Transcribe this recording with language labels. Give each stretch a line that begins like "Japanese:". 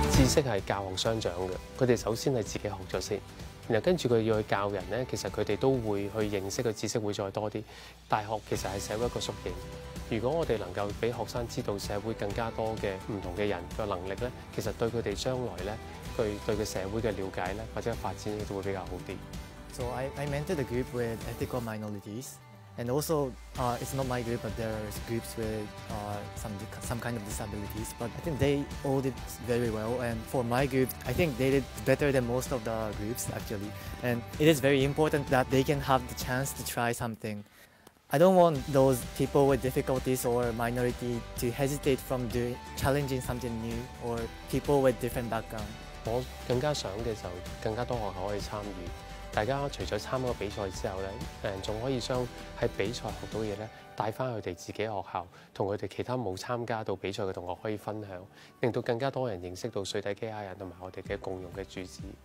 Cantonese: 即是教學相長的，他們首先是自己學了先，然後跟著他們要去教人，其實他們都會去認識的知識會再多一點。大學其實是社會一個縮影，如果我們能夠讓學生知道社會更加多的不同的人的能力，其實對他們將來對社會的了解或者發展都會比較好一點。
English: So I mentored a group with ethical minorities and also it's not my group but there are groups with some kind of disabilities but I think they all did very well and for my group I think they did better than most of the groups actually and it is very important that they can have the chance to try something. I don't want those people with difficulties or minority to hesitate from challenging something new or people with different background.
Cantonese: 我更加想嘅就更加多學校可以參與，大家除了參加比賽之後咧，誒仲可以將喺比賽學到嘢咧帶翻佢哋自己學校，同佢哋其他冇參加到比賽嘅同學可以分享，令到更加多人認識到水底機械人同埋我哋嘅共融嘅主旨。